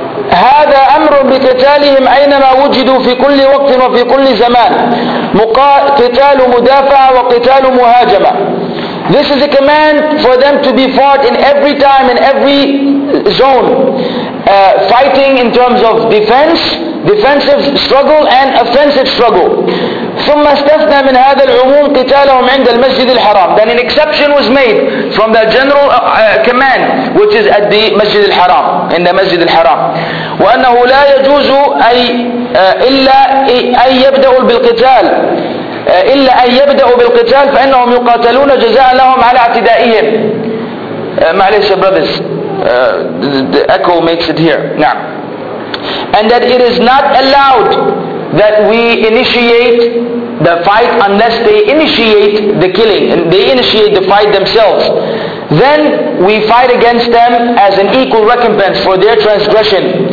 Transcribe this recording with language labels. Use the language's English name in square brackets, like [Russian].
[Arabic] هذا أمر بقتالهم أينما وجدوا في كل وقت وفي كل زمان قتال مدافع وقتال مهاجمة. [English] This is a command for them to be fought in every time, in every zone. Fighting in terms of defense, defensive struggle and offensive struggle. [Arabic] ثم استثنى من هذا العموم قتالهم عند المسجد الحرام. [English] Then an exception was made from the general command, which is at the Masjid al-Haram, in the Masjid al-Haram. [Arabic] وأنه لا يجوز إلا أن يبدأوا بالقتال إلا أن يبدأوا بالقتال فإنهم يقاتلون جزاء لهم على اعتدائهم. [English] معليش brothers, the echo makes it here. [Arabic] نعم. [English] And that it is not allowed that we initiate the fight unless they initiate the killing and they initiate the fight themselves. Then we fight against them as an equal recompense for their transgression.